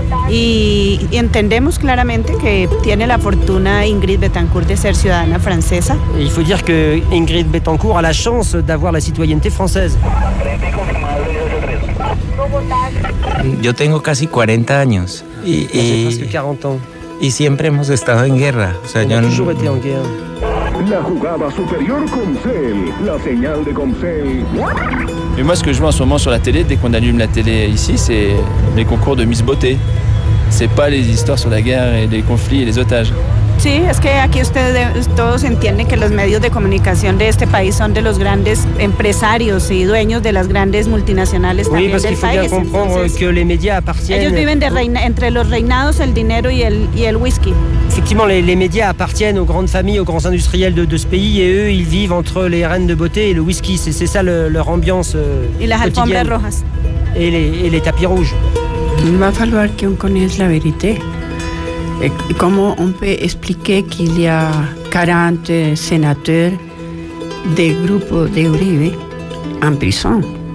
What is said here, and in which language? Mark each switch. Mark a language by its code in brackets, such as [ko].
[es] Y entendemos claramente que tiene la fortuna Ingrid Betancourt de ser ciudadana francesa. [fr] Il faut dire que Ingrid Betancourt a la chance d'avoir la citoyenneté française. [es] Yo tengo casi 40 años. [fr] J'ai presque 40 ans. [es] Y siempre hemos estado en guerra. O sea, [fr] on a toujours été en guerre. [es] La jugada superior Comcel, la señal de Comcel. [fr] Et moi, ce que je vois en ce moment sur la télé, dès qu'on allume la télé ici, c'est les concours de Miss Beauté. C'est pas les histoires sur la guerre et les conflits et les otages. [es] Sí, es que aquí ustedes todos entienden que los medios de comunicación de este país son de los grandes empresarios y dueños de las grandes multinacionales también del [fr] Oui, parce qu'il faut bien comprendre que les médias appartiennent. [es] Ellos viven de entre los reinados, el dinero y el whisky. [fr] Effectivement, les médias appartiennent aux grandes familles, aux grands industriels de ce pays, et eux, ils vivent entre les reines de beauté et le whisky. C'est ça leur ambiance quotidienne. [es] Y las alfombras rojas. [fr] Et les tapis rouges. Il va falloir qu'on connaisse la vérité. Et comment on peut expliquer qu'il y a 40 sénateurs des groupes d'Uribe en prison ?